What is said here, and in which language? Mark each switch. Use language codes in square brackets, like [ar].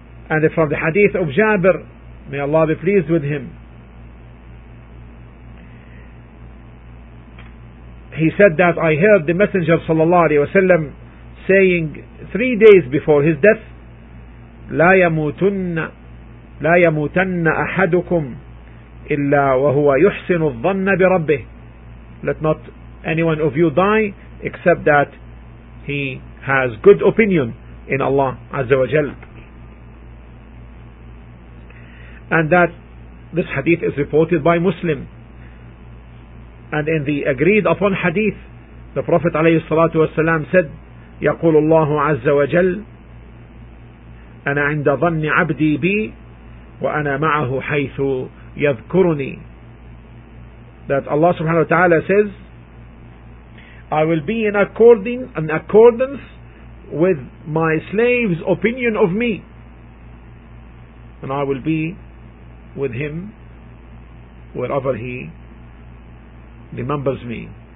[en] And from the hadith of Jabir, may Allah be pleased with him, he said that I heard the Messenger sallallahu alayhi wa sallam saying 3 days before his death, [ar] لا يموتن أحدكم إلا وهو يحسن الظن بربه. [en] Let not anyone of you die except that he has good opinion in Allah Azza wa Jal. And that this hadith is reported by Muslim. And in the agreed upon hadith, the Prophet [ar] عليه الصلاة والسلام [en] said, [ar] يقول الله عز وجل أنا عند ظن عبدي بي وأنا معه حيث يذكرني. [en] That Allah subhanahu wa ta'ala says, I will be in accordance with my slave's opinion of me, and I will be with him wherever he remembers me.